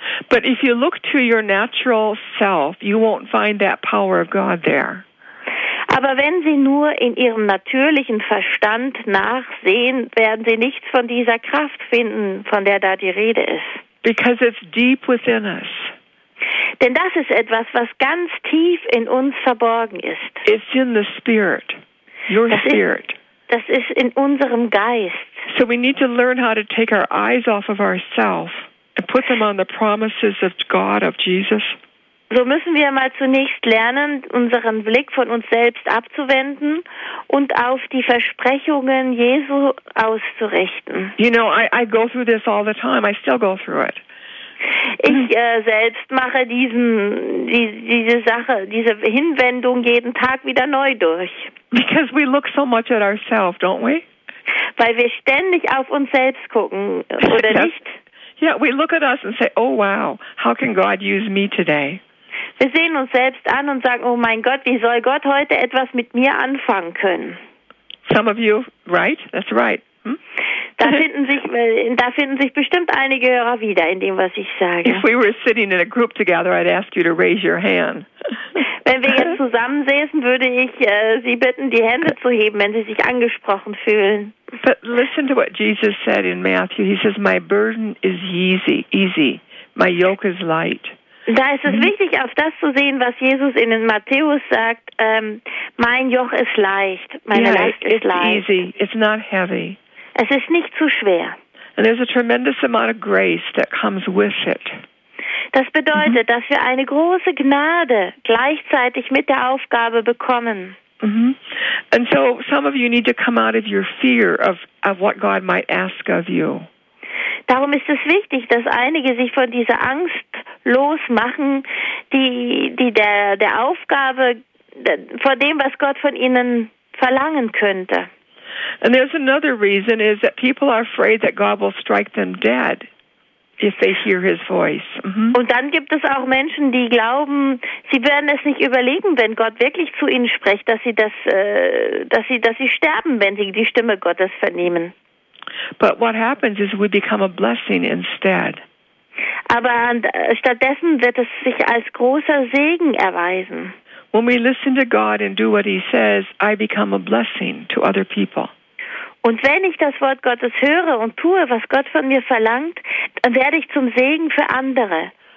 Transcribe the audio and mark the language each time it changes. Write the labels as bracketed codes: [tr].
[en] But if you look to your natural self, you won't find that power of God there. [de] Aber wenn Sie nur in Ihrem natürlichen Verstand nachsehen, werden Sie nichts von dieser Kraft finden, von der da die Rede ist. [en] Because it's deep within us. [de] Denn das ist etwas, was ganz tief in uns verborgen ist. [en] It's in the spirit, your spirit. [de] Das ist in unserem Geist. [en] So we need to learn how to take our eyes off of ourselves and put them on the promises of God, of Jesus. [de] So müssen wir mal zunächst lernen, unseren Blick von uns selbst abzuwenden und auf die Versprechungen Jesu auszurichten. [en] You know, I go through this all the time. I still go through it. [de] Ich selbst mache diese Hinwendung jeden Tag wieder neu durch. [en] Because we look so much at ourselves, don't we? [de] Weil wir ständig auf uns selbst gucken, oder [en] yes. [de] nicht? [en] Yeah, we look at us and say, oh wow, how can God use me today? [de] Wir sehen uns selbst an und sagen, oh mein Gott, wie soll Gott heute etwas mit mir anfangen können? [en] Some of you, right? That's right. [de] Da finden sich bestimmt einige Hörer wieder in dem, was ich sage. [en] If we were sitting in a group together, I'd ask you to raise your hand. [de] Wenn wir jetzt zusammensäßen, würde ich Sie bitten, die Hände zu heben, wenn Sie sich angesprochen fühlen. [en] But listen to what Jesus said in Matthew. He says, my burden is easy. My yoke is light. [de] Da ist es wichtig, auf das zu sehen, was Jesus in den Matthäus sagt. Mein Joch ist leicht. Meine Last ist leicht. [en] It's easy. It's not heavy. [de] Es ist nicht zu schwer. [en] And there's a tremendous amount of grace that comes with it. [de] Das bedeutet, dass wir eine große Gnade gleichzeitig mit der Aufgabe bekommen. Mm-hmm. [en] And so some of you need to come out of your fear of what God might ask of you. [de] Darum ist es wichtig, dass einige sich von dieser Angst losmachen, die der Aufgabe, vor dem, was Gott von ihnen verlangen könnte. [en] And there's another reason is that people are afraid that God will strike them dead if they hear his voice. Mm-hmm. [de] Und dann gibt es auch Menschen, die glauben, sie werden es nicht überleben, wenn Gott wirklich zu ihnen spricht, dass sie sterben, wenn sie die Stimme Gottes vernehmen. [en] But what happens is we become a blessing instead. [de] Aber stattdessen wird es sich als großer Segen erweisen. [en] When we listen to God and do what he says, I become a blessing to other people. [de] Und wenn ich das Wort Gottes höre und tue, was Gott von mir verlangt, dann werde ich zum Segen für andere.